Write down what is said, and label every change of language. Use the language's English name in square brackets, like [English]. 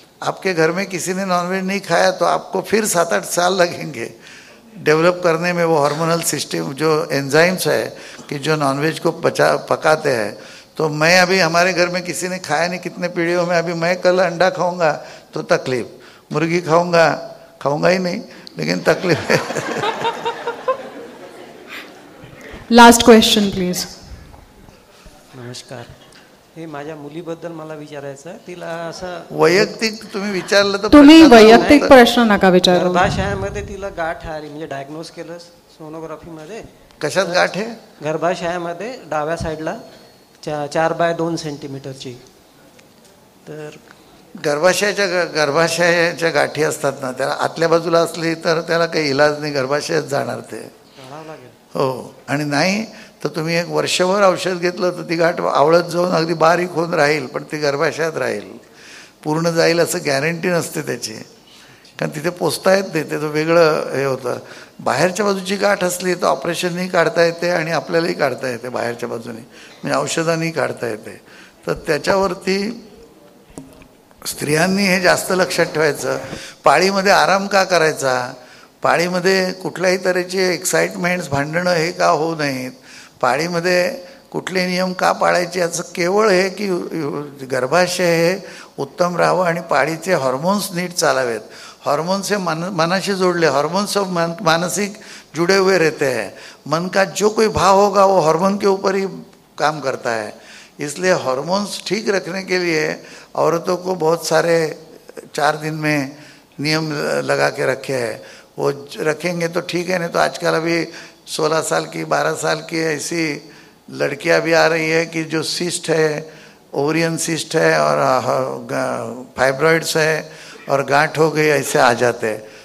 [Hindi] आपके घर में किसी ने नॉनवेज नहीं खाया तो आपको फिर 7-8 साल लगेंगे डेवलप करने में वो हार्मोनल सिस्टम जो एंजाइम्स है कि जो नॉनवेज को पकाते हैं। तो मैं अभी हमारे घर में किसी ने खाया नहीं कितने पीढ़ियों में, अभी मैं कल अंडा खाऊंगा तो तकलीफ, मुर्गी खाऊंगा खाऊंगा ही नहीं लेकिन तकलीफ। Last question please. [Marathi] नमस्कार, हे माझ्या मुलीबद्दल मला विचारायचं, तिला असं वैयक्तिक तुम्ही विचारलं तर तुम्ही वैयक्तिक प्रश्न नका विचारू। गर्भाशयामध्ये तिला गाठ आली, म्हणजे डायग्नोस केलं सोनोग्राफीमध्ये। कशात गाठ आहे? गर्भाशयामध्ये डाव्या साईडला 4x2 cm। तर गर्भाशयाच्या गर्भाशयाच्या गाठी असतात ना, त्याला आतल्या बाजूला असली तर त्याला काही इलाज नाही, गर्भाशयात जाणार ते काढावं लागेल। हो, आणि नाही तर तुम्ही एक वर्षभर औषध घेतलं तर ती गाठ आवळत जाऊन अगदी बारीक होऊन राहील, पण ती गर्भाशयात राहील, पूर्ण जाईल असं गॅरंटी नसते त्याची, कारण तिथे पोचता येत नाही, तिथं वेगळं हे होतं। बाहेरच्या बाजूची गाठ असली तर ऑपरेशननेही काढता येते आणि आपल्यालाही काढता येते बाहेरच्या बाजूने, म्हणजे औषधांनीही काढता येते। तर त्याच्यावरती स्त्रियांनी हे जास्त लक्षात ठेवायचं, पाळीमध्ये आराम का करायचा, पाळीमध्ये कुठल्याही तऱ्हेचे एक्साइटमेंट्स भांडणं हे का होऊ नयेत, पाळीमध्ये कुठले नियम का पाळायचे, याचं केवळ हे की गर्भाशय हे उत्तम राहावं आणि पाळीचे हॉर्मोन्स नीट चालावेत। हॉर्मोन्स हे मनाशी जोडले, [Hindi] हॉर्मोन्स ऑफ मानसिक जुड़े हुए रहते हैं, मन का जो कोई भाव होगा वो हॉर्मोन के ऊपर ही काम करता है, इसलिए हॉर्मोन्स ठीक रखने के लिए औरतों को बहुत सारे 4 दिन में नियम लगा के रखे हैं, वो रखेंगे तो ठीक है, नहीं तो आजकल अभी 16 साल की 12 साल की ऐसी लड़कियां भी आ रही है कि जो सिस्ट है, ओवरियन सिस्ट है और फाइब्रॉइड्स है और गांठ हो गई, ऐसे आ जाते हैं।